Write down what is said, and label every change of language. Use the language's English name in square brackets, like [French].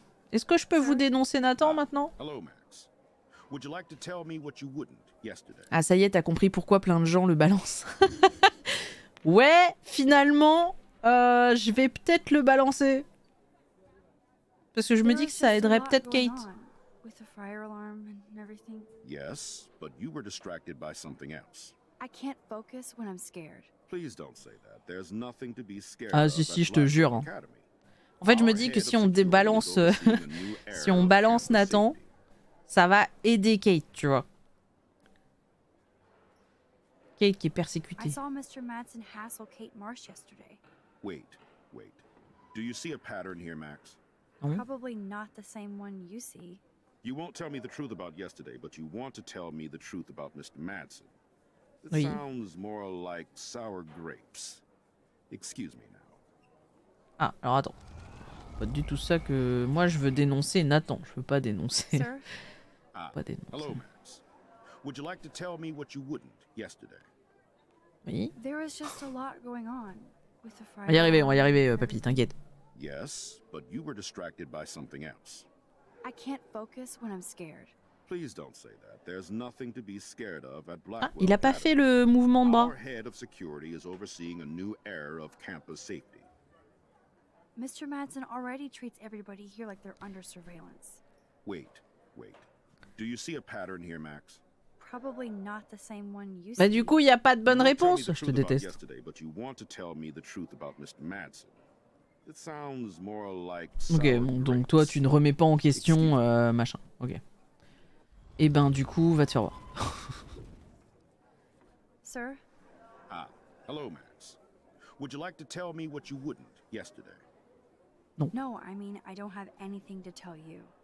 [French] Est-ce que je peux vous dénoncer Nathan maintenant? [English] Hello, Max. Would you like to tell me what you wouldn't yesterday? [French] Ah, ça y est, t'as compris pourquoi plein de gens le balancent. Ouais, finalement, je vais peut-être le balancer. Parce que je me dis que ça aiderait peut-être Kate. [English] With the fire alarm and everything. Yes, but you were distracted by something else. I can't focus when I'm scared. Please don't say that. There's nothing to be scared. [French] Ah si si, je te jure. Hein. En fait, je me dis que si on débalance si on balance Nathan, ça va aider Kate, tu vois. Kate qui est persécutée. [English] I saw Mr. Madsen hassle Kate Marsh yesterday. Wait, wait. Do you see a pattern here, Max? Probably not the same one you see. You won't tell me the truth about yesterday, but you want to tell me the truth about Mr. Madsen. It [French] oui. [English] sounds more like sour grapes. Excuse me now. [French] Ah, alors attends. Pas du tout ça que moi je veux dénoncer Nathan. Je veux pas dénoncer. Ah, pas dénoncer. [English] Hello, Max. Would you like to tell me what you wouldn't yesterday? [French] Oui. [English] There was just a lot going on with the fire. [French] On va y arriver, on va y arriver, papy, t'inquiète. [English] Yes, but you were distracted by something else. I can't focus when I'm scared. Please don't say that. There's nothing to be scared of at Blackwell. [French] Ah, il a pas fait le mouvement de bras. [English] Our head of security is overseeing a new era of campus safety. Mr. Madsen already treats everybody here like they're under surveillance. Wait, wait. Do you see a pattern here, Max? Probably not the same one you see. [French] Bah du coup, il y a pas de bonne réponse. Je te déteste. [English] Yesterday, but you want to tell me the truth about Mr. Madsen. It sounds more like [French] ok, bon, donc toi, tu ne remets pas en question machin. Ok. Eh ben, du coup, va te faire voir. [English] Sir. Ah, hello, Max. Would you like to tell me what you wouldn't yesterday? [French] Non. [English] No, I mean, I don't have anything to tell you.